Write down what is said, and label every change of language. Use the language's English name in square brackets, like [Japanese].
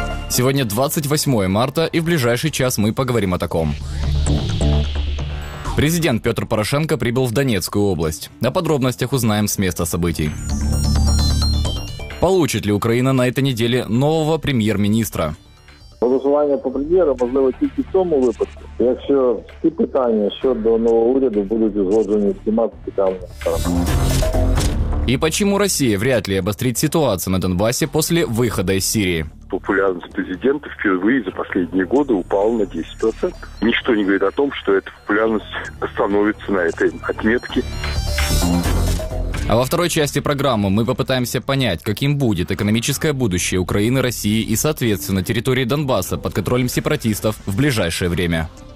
[Russian] Сегодня 28 марта, и в ближайший час мы поговорим о таком. Президент Петр Порошенко прибыл в Донецкую область. О подробностях узнаем с места событий. Получит ли Украина на этой неделе нового премьер-министра? [Ukrainian] Голосування по прем'єру можливо тільки в цьому випадку, якщо всі питання щодо нового уряду будуть узгоджені всіма спеціальними сторонами. І чому Росія [Russian] вряд ли обострить [Ukrainian] ситуацію на Донбасі після виходу із Сирії? [Russian] Популярность президента впервые за последние годы упала на 10%. Ничто не говорит о том, что эта популярность остановится на этой отметке. А во второй части программы мы попытаемся понять, каким будет экономическое будущее Украины, России и, соответственно, территории Донбасса под контролем сепаратистов в ближайшее время.